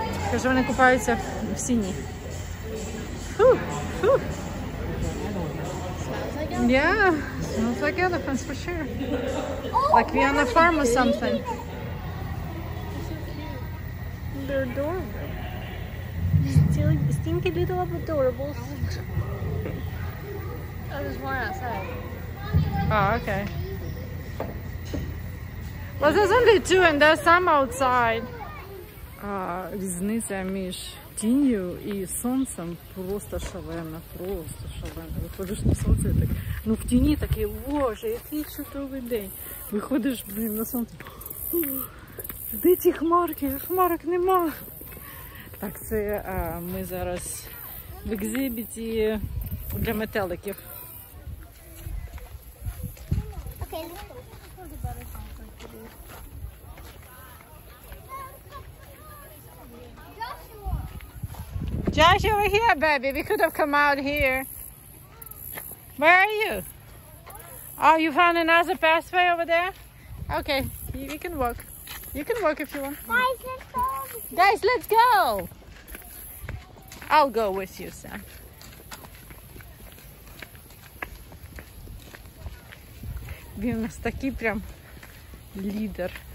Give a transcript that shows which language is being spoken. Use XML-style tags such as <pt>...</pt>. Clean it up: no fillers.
<uk>Кажу, вони купаються в сіні.</uk> <en>Yeah, smells like elephants for sure. Like we're on a farm or something. They're adorable. Stinky little adorables. Oh, there's one outside. Oh, okay. Well, there's only two and there's some outside.</en> <uk>Різниця між тінню і сонцем просто шалена, просто шалена. Виходиш на сонце і так, ну в тіні такий, боже, який чудовий день. Виходиш, блін, на сонце, де ті хмарки, хмарок нема. Так, це ми зараз в екзибіті для метеликів.</uk> <en>Josh, over here, baby. We could have come out here. Where are you? Oh, you found another pathway over there? Okay, we can walk. You can walk if you want. Guys, let's go. Guys, let's go. I'll go with you, Sam.</en> <uk>Він у нас такий прям лідер.</uk>